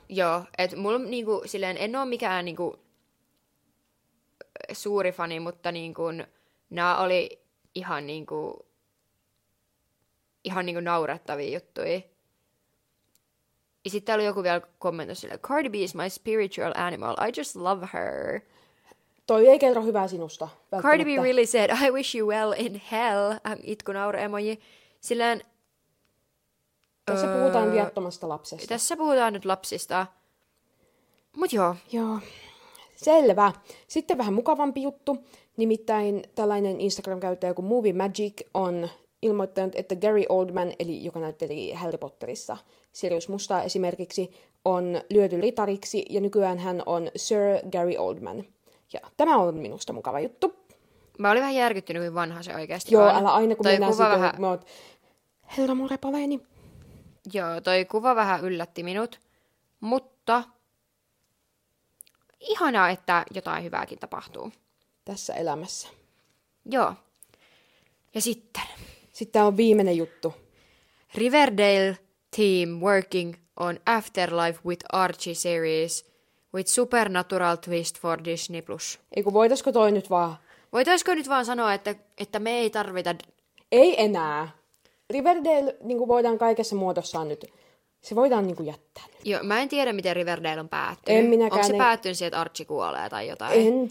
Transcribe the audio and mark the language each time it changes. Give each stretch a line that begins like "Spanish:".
Finnish: Joo, että mulla niin kuin, silleen, en ole mikään... Niin kuin, suuri fani, mutta niin kuin nämä oli ihan niin kuin naurettavia juttuja. Ja sitten oli joku vielä kommentoi sille,
English: Cardi B is my spiritual animal, I just love her.
Finnish: Toi ei kerro hyvää sinusta.
English: Cardi B really said, I wish you well in hell,
Finnish: itku naura emoji. Silleen, tässä puhutaan viattomasta lapsesta. Tässä puhutaan nyt lapsista. Mut joo. Joo. Selvä. Sitten vähän mukavampi juttu. Nimittäin tällainen Instagram-käyttäjä kuin Movie Magic on ilmoittanut, että Gary Oldman, eli joka näytteli Harry Potterissa, Sirius Musta esimerkiksi, on lyöty litariksi ja nykyään hän on Sir Gary Oldman. Ja tämä on minusta mukava juttu. Mä olin vähän järkyttynyt, kuin vanha se oikeasti. Joo, älä aina kun mennään siitä, vähän... mä oot, herra mun repaleeni. Joo, toi kuva vähän yllätti minut, mutta... Ihanaa, että jotain hyvääkin tapahtuu. Tässä elämässä. Joo. Ja sitten. Sitten on viimeinen juttu.
English: Riverdale team working on Afterlife with Archie series with supernatural twist for Disney+.
Finnish: Eiku, voitaisko toi nyt vaan? Voitaisko nyt vaan sanoa, että me ei tarvita... Ei enää. Riverdale niin kuin voidaan kaikessa muodossaan nyt... Se voidaan niinku jättää. Joo, mä en tiedä, miten Riverdale on päättynyt. En minäkään. Onko se päättynyt siihen, että Archie kuolee tai jotain?